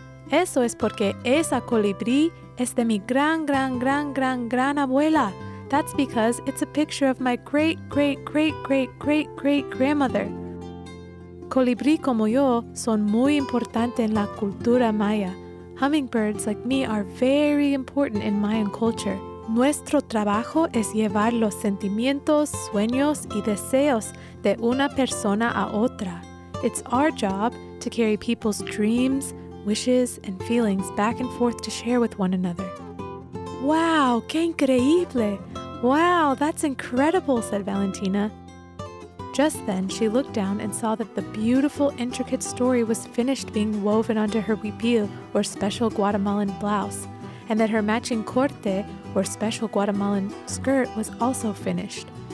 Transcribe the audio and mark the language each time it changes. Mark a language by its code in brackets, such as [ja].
[es] "Eso es porque esa colibrí es de mi gran, gran, gran, gran, gran abuela. [en] That's because it's a picture of my great, great, great, great, great, great grandmother. [es] Colibrí como yo son muy importante en la cultura maya. [en] Hummingbirds like me are very important in Mayan culture. [es] Nuestro trabajo es llevar los sentimientos, sueños y deseos de una persona a otra. [en] It's our job to carry people's dreams, wishes, and feelings back and forth to share with one another." "Wow, [es] qué increíble! [en] Wow, that's incredible," said Valentina. Just then, she looked down and saw that the beautiful, intricate story was finished being woven onto her huipil, or special Guatemalan blouse, and that her matching corte, or special Guatemalan skirt, was also finished.